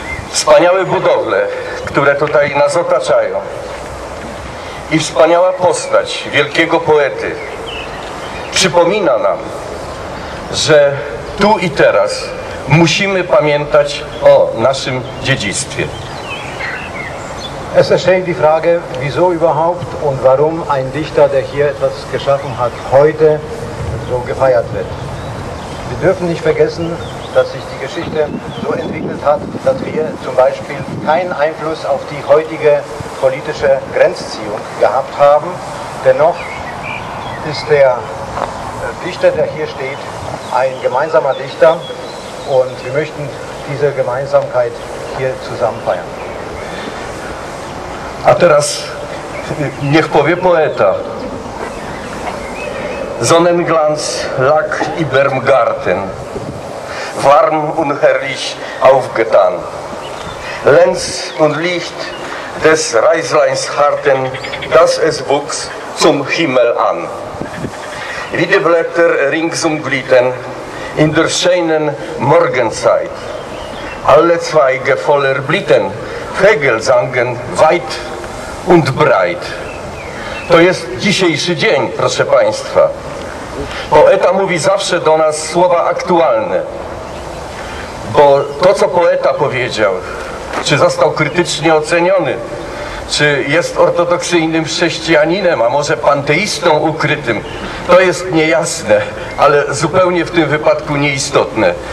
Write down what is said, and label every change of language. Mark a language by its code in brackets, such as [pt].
[pl] Wspaniałe budowle, które tutaj nas otaczają, i wspaniała postać wielkiego poety przypomina nam, że tu i teraz musimy pamiętać o naszym dziedzictwie. [de] Es erscheint die Frage, wieso überhaupt und warum ein Dichter, der hier etwas geschaffen hat, heute so gefeiert wird. Wir dürfen nicht vergessen, dass sich die Geschichte so entwickelt hat, dass wir zum Beispiel keinen Einfluss auf die heutige politische Grenzziehung gehabt haben. Dennoch ist der Dichter, der hier steht, ein gemeinsamer Dichter und wir möchten diese Gemeinsamkeit hier zusammen feiern. [pl] A teraz niech powie poeta. [de] Sonnenglanz lag überm Garten, warm und herrlich aufgetan. Lenz und Licht des Reisleins harten, dass es wuchs zum Himmel an. Wie die Blätter ringsum glitten in der schönen Morgenzeit. Alle Zweige voller Blüten, Vögel sangen weit und breit. [pl] To jest dzisiejszy dzień, proszę Państwa. Poeta mówi zawsze do nas słowa aktualne. Bo to, co poeta powiedział, czy został krytycznie oceniony, czy jest ortodoksyjnym chrześcijaninem, a może panteistą ukrytym, to jest niejasne, ale zupełnie w tym wypadku nieistotne.